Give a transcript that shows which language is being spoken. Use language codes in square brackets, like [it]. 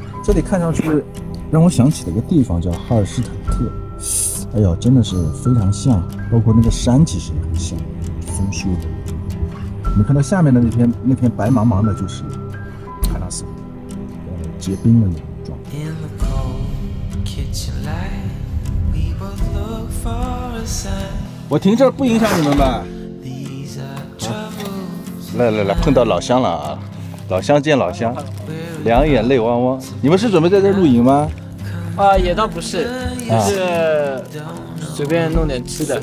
[zh] 这里看上去让我想起了一个地方，叫哈尔施坦特。哎呦，真的是非常像，包括那个山其实也很像，松树的。你看到下面的那片白茫茫的，就是喀纳斯，结冰的那种状态。 [en] In the cold kitchen light, we both look for a sign. [zh] 我停这儿不影响你们吧？来来来，碰到老乡了啊！老乡见老乡，两眼泪汪汪。你们是准备在这露营吗？啊，也倒不是，就是随便弄点吃的，